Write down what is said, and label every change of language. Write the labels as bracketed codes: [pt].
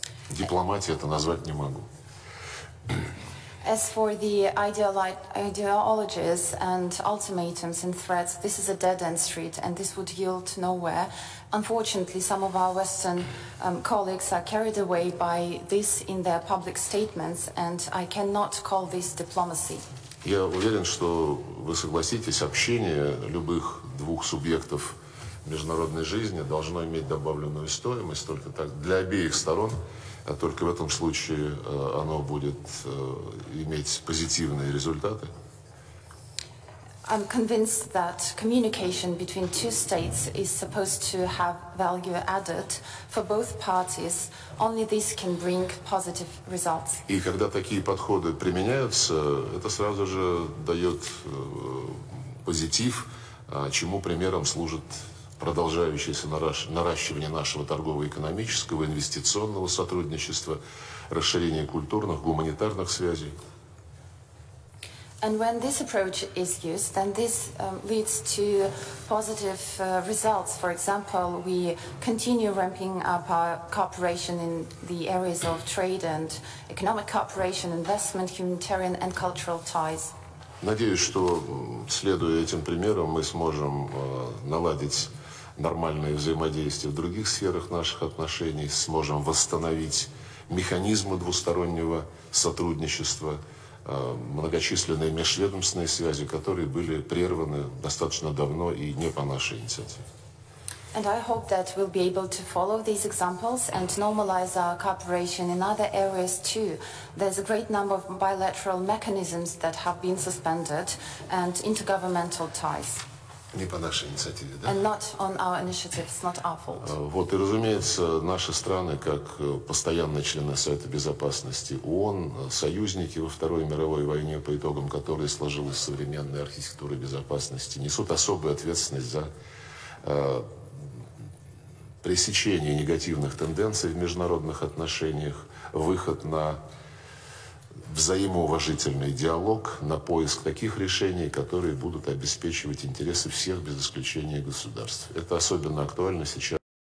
[ru] Дипломатии это назвать не могу. [en] As for the ideologies and ultimatums and threats, this is a dead-end street, and this would yield nowhere. Unfortunately, some of our Western colleagues are carried away by this in their public statements, and I cannot call this diplomacy. [ru] Я уверен, что вы согласитесь, общение любых двух субъектов международной жизни должно иметь добавленную стоимость только так для обеих сторон, а только в этом случае оно будет иметь позитивные результаты. [en] I'm convinced that communication between two states is supposed to have value added for both parties. Only this can bring positive results. [ru] И когда такие подходы применяются, это сразу же дает позитив, чему примером служит продолжающееся наращивание нашего торгово-экономического, инвестиционного сотрудничества, расширение культурных, гуманитарных связей. [en] And when this approach is used, then this leads to positive results. For example, we continue ramping up our cooperation in the areas of trade and economic cooperation, investment, humanitarian and cultural ties. [ru] Надеюсь, что, следуя этим примерам, мы сможем наладить нормальное взаимодействие в других сферах наших отношений, сможем восстановить механизмы двустороннего сотрудничества, многочисленные межведомственные связи, которые были прерваны достаточно давно и не по нашей инициативе. [en] And I hope that we'll be able to follow these examples and normalize our cooperation in other areas too. There's a great number of bilateral mechanisms that have been suspended and intergovernmental ties. [ru] Не по нашей инициативе, да? [en] And not on our initiative, it's not our fault. [ru] Вот, и разумеется, наши страны, как постоянные члены Совета Безопасности ООН, союзники во Второй мировой войне, по итогам которой сложилась современная архитектура безопасности, несут особую ответственность за пресечение негативных тенденций в международных отношениях, выход на взаимоуважительный диалог, на поиск таких решений, которые будут обеспечивать интересы всех без исключения государств. Это особенно актуально сейчас.